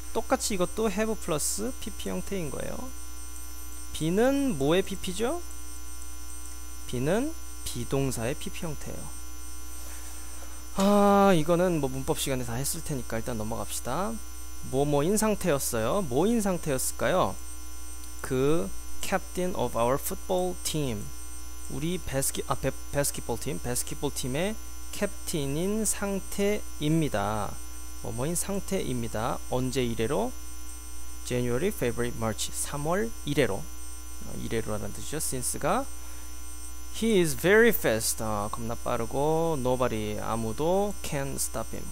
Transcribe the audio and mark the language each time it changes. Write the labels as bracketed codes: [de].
[ko] 똑같이 이것도 have 플러스 pp 형태인 거예요. been은 뭐의 pp죠? been은 비동사의 pp 형태예요. 아, 이거는 뭐 문법 시간에 다 했을 테니까 일단 넘어갑시다. 뭐뭐인 상태였어요? 뭐인 상태였을까요? [en] 그 captain of our football team. [ko] 우리 배스킷볼 팀의 캡틴인 상태입니다. 뭐뭐인 상태입니다. 언제 이래로? [en] January, February, March. [ko] 3월 이래로. 이래로라는 뜻이죠. since가 [en] He is very fast. [ko] 겁나 빠르고 nobody 아무도 [en] can stop him.